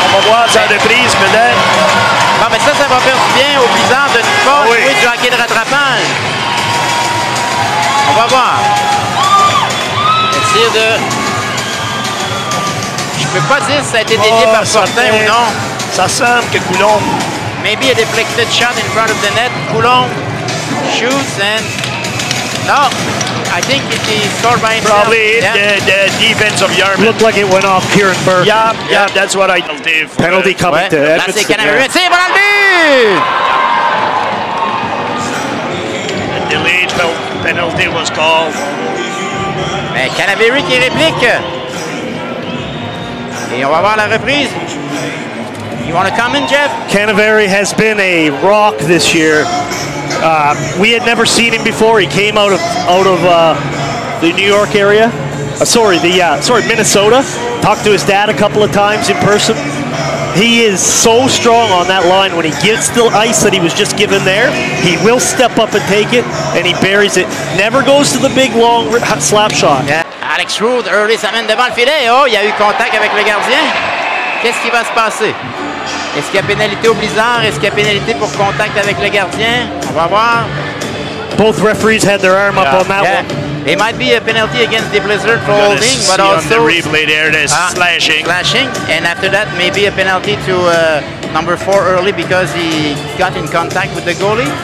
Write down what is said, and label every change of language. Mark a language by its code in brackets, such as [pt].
[fr] On va voir ça en reprise, peut-être. Bon, mais ben, ça va faire du bien au bizarre de Nicolas jouer du hockey de rattrapage. On va voir. Le tir de. Je peux pas dire si ça a été dévié par Portin ou non. Ça semble que Coulomb. [en] Maybe a deflected shot in front of the net. Coulomb shoots and. No, I think it is scored by himself. Probably the defense of Yarmouth. Looked like it went off Kieran Burke. Yeah, that's what I. Penalty coming to Edmondson. That's it, can I read? A delayed penalty was called. [fr] Mais Canaveri qui réplique. Et on va voir la reprise. [en] You want to come in, Jeff? Canaveri has been a rock this year. We had never seen him before. He came out of the New York area. Minnesota. Talked to his dad a couple of times in person. He is so strong on that line. When he gets the ice that he was just given there, he will step up and take it, and he buries it. Never goes to the big, long slap shot. [fr] Yeah. Alex Ruud, early, s'amène devant le filet. Oh, il y a eu contact avec le gardien. Qu'est-ce qui va se passer? Est-ce qu'il y a pénalité au blizzard? Est-ce qu'il y a pénalité pour contact avec le gardien? On va voir. [en] Both referees had their arm up on that one. It might be a penalty against the Blizzard for holding, but also on the replay there, there's slashing. Slashing, and after that, maybe a penalty to number four early because he got in contact with the goalie.